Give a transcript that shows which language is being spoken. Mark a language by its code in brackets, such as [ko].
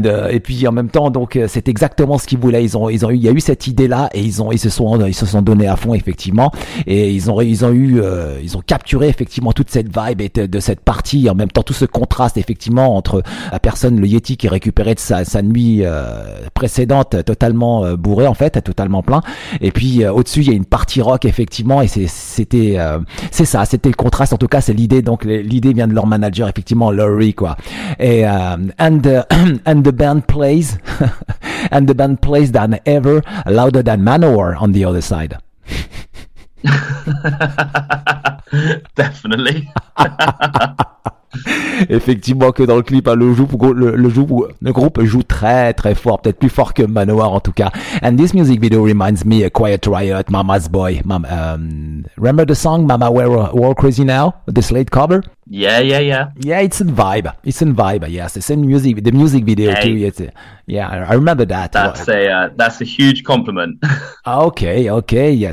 [fr] Et puis en même temps, donc c'est exactement ce qu'ils voulaient. Il y a eu cette idée là et ils se sont donnés à fond effectivement, et ils ont capturé effectivement toute cette vibe et de cette partie, en même temps tout ce contraste effectivement entre la personne, le Yeti, qui récupérait de sa nuit précédente totalement bourré en fait, totalement plein, et puis au-dessus il y a une partie rock effectivement. Et c'était le contraste, en tout cas c'est l'idée. Donc l'idée vient de leur manager effectivement, Laurie, quoi. [en] Et and the band plays and the band plays than ever louder than Manowar on the other side. Definitely. [fr] Effectivement, que dans le clip, hein, le groupe joue très très fort, peut-être plus fort que Manowar en tout cas. [en] And this music video reminds me of Quiet Riot, Mama's Boy. Remember the song Mama We're Crazy Now, this late cover? Yeah. Yeah, it's a vibe. Yes, the same music, the music video too. Yeah, I remember that. That's a huge compliment. Okay. Yeah.